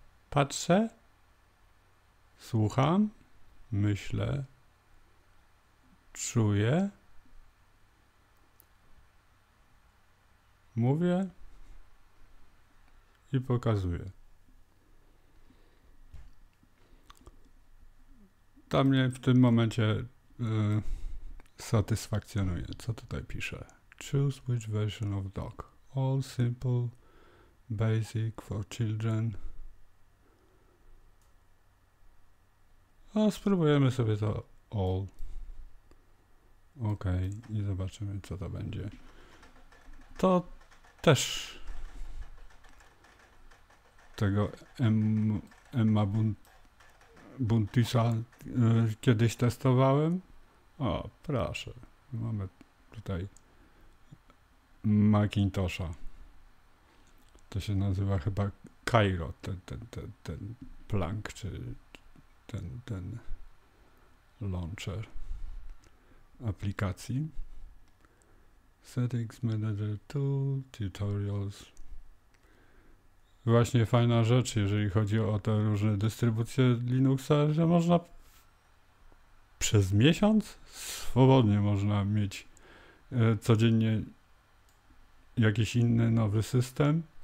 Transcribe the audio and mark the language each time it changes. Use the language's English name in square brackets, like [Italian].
[Polish] Patrzę, słucham, myślę, czuję, mówię i pokazuję. To mnie w tym momencie satysfakcjonuje. Co tutaj pisze? [English] Choose which version of dog. All simple, basic for children. [Polish] A spróbujemy sobie to all. Ok, i zobaczymy, co to będzie. To też tego Emma Buntisa kiedyś testowałem. O, proszę. Mamy tutaj Macintosha. To się nazywa chyba Cairo, ten plank, czy ten launcher aplikacji. [English] Settings Manager Tool, Tutorials. [Polish] Właśnie fajna rzecz, jeżeli chodzi o te różne dystrybucje Linuxa, że można przez miesiąc swobodnie można mieć codziennie jakiś inny, nowy system.